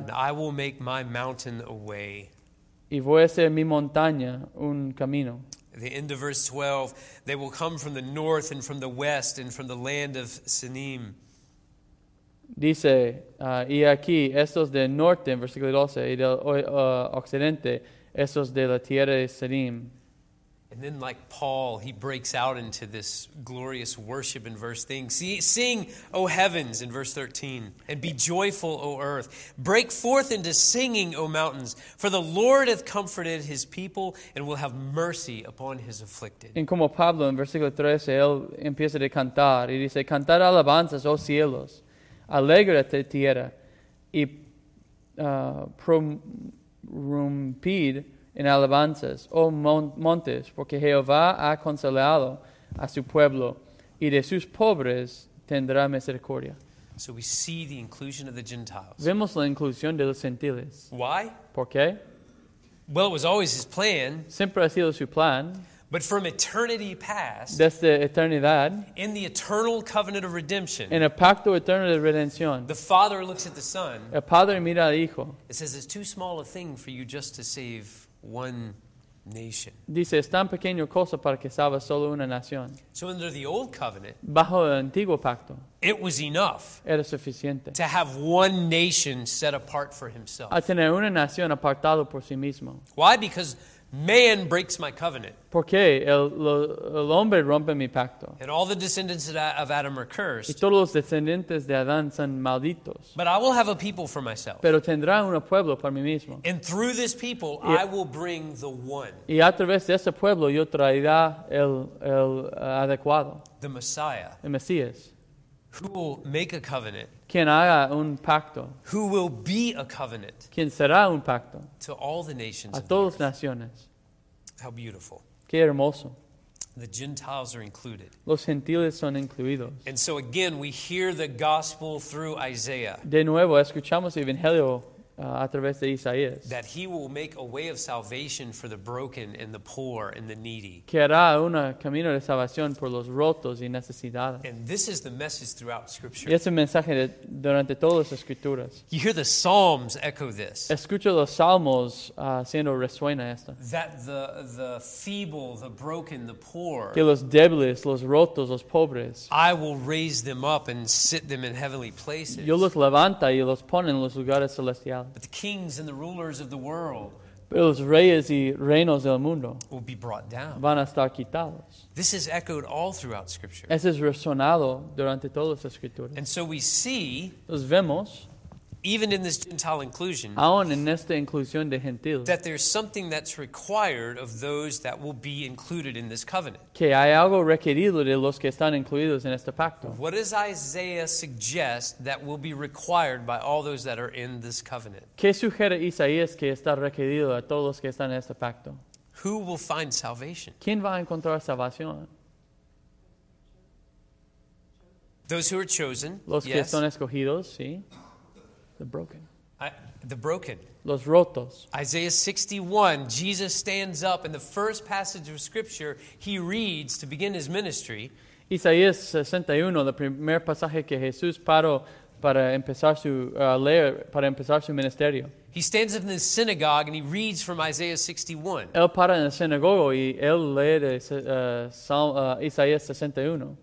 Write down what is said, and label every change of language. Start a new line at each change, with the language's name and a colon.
English: And I will make my mountain a way.
Spanish: Y voy a hacer mi montaña un camino.
English: The end of verse 12. They will come from the north and from the west and from the land of Sinim.
Spanish: Dice, y aquí, estos del norte, en versículo 12, y del occidente, estos de la tierra de Sinim.
English: And then like Paul, he breaks out into this glorious worship in verse 13. Sing, O heavens, in verse 13, and be joyful, O earth. Break forth into singing, O mountains, for the Lord hath comforted his people and will have mercy upon his afflicted.
Spanish: En como Pablo, en versículo 13, él empieza a cantar y dice, cantar alabanzas, oh cielos, alégrate tierra, y prorrumpid en alabanzas, oh montes, porque Jehová ha consolado a su pueblo, y de sus pobres tendrá misericordia.
English: So we see the inclusion of the Gentiles.
Spanish: Vemos la inclusión de los gentiles.
English: Why?
Spanish: ¿Por qué?
English: Well, it was always his plan.
Spanish: Siempre ha sido su plan.
English: But from eternity past,
Spanish: desde eternidad,
English: in the eternal covenant of redemption,
Spanish: en el pacto eterno de redención,
English: the Father looks at the Son.
Spanish: El Padre mira al Hijo.
English: It says it's too small a thing for you just to save one nation.
Spanish: Dice, es tan pequeño cosa para que salva solo una nación.
English: So under the old covenant,
Spanish: bajo el antiguo pacto,
English: it was enough,
Spanish: era suficiente,
English: to have one nation set apart for himself.
Spanish: A tener una nación apartado por sí mismo.
English: Why? Because man breaks my covenant.
Spanish: ¿Por qué? El hombre rompe mi pacto.
English: And all the descendants of Adam are cursed.
Spanish: Y todos los descendientes de Adán son malditos.
English: But I will have a people for myself.
Spanish: Pero tendrá un pueblo para mí mismo.
English: And through this people, I will bring the one.
Spanish: Y a través de ese pueblo, yo traerá el adecuado.
English: The Messiah.
Spanish: El Mesías.
English: Who will make a covenant?
Spanish: Quien haga un pacto.
English: Who will be a covenant?
Spanish: Quien será un pacto.
English: To all the nations.
Spanish: A todas naciones.
English: How beautiful.
Spanish: Qué hermoso.
English: The Gentiles are included.
Spanish: Los gentiles son incluidos.
English: And so again, we hear the gospel through Isaiah.
Spanish: De nuevo, escuchamos el evangelio a través de Isaías.
English: That he will make a way of salvation for the broken and the poor and the needy.
Spanish: Que hará un camino de salvación por los rotos y necesitados.
English: And this is the message throughout Scripture.
Spanish: Y es un mensaje de, durante todas las Escrituras.
English: You hear the Psalms echo this.
Spanish: Escucho los Salmos siendo resuena esto.
English: That the feeble, the broken, the poor.
Spanish: Que los débiles, los rotos, los pobres.
English: I will raise them up and sit them in heavenly places.
Spanish: Yo los levanta y los pone en los lugares celestiales.
English: But the kings and the rulers of the world,
Spanish: pero los reyes y reinos del mundo,
English: will be brought down.
Spanish: Van a estar quitados.
English: This is echoed all throughout Scripture.
Spanish: Eso es resonado durante todas las Escrituras.
English: And so we see,
Spanish: nos vemos,
English: even in this Gentile inclusion,
Spanish: aún en esta inclusión de gentiles,
English: that there's something that's required of those that will be included in this covenant.
Spanish: Que hay algo requerido de los que están incluidos en este pacto.
English: What does Isaiah suggest that will be required by all those that are in this covenant?
Spanish: ¿Qué sugiere Isaías que está requerido a todos los que están en este pacto?
English: Who will find salvation?
Spanish: ¿Quién va a encontrar salvación?
English: Those who are chosen.
Spanish: Los que
English: yes.
Spanish: Son escogidos, sí.
English: The broken. The broken.
Spanish: Los rotos.
English: Isaiah 61, Jesus stands up in the first passage of Scripture he reads to begin his ministry.
Spanish: Isaías 61, el primer pasaje que Jesús paró para empezar su leer, para empezar su ministerio.
English: He stands up in the synagogue and he reads from Isaiah 61.
Spanish: Él para en la sinagoga y él lee de Isaías 61.